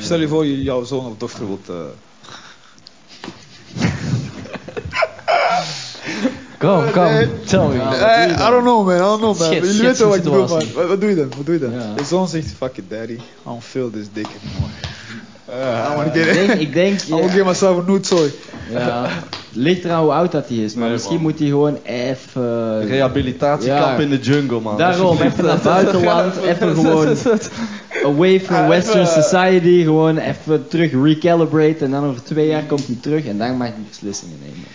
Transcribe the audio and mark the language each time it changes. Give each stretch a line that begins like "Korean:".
Dutch: Stel je voor, jouw zoon of dochter wilt... Kom, kom,
English: tell me. I don't know, man.
Dutch: Jullie weten wat ik bedoel, man. Wat doe je dan? De zoon zegt,
English: fuck it, daddy. I don't feel this dick anymore. I want to get it.
Dutch: Ik denk,
English: I want to get myself a new toy.
Dutch: Ja. Ligt eraan hoe oud dat hij is, maar nee, misschien moet hij gewoon even... Rehabilitatiekamp in de jungle, man. Daarom, even naar buitenland, even gewoon...
English: away from Western society,
Dutch: gewoon even terug recalibrate en dan over 2 jaar komt hij terug en dan mag hij beslissingen nemen.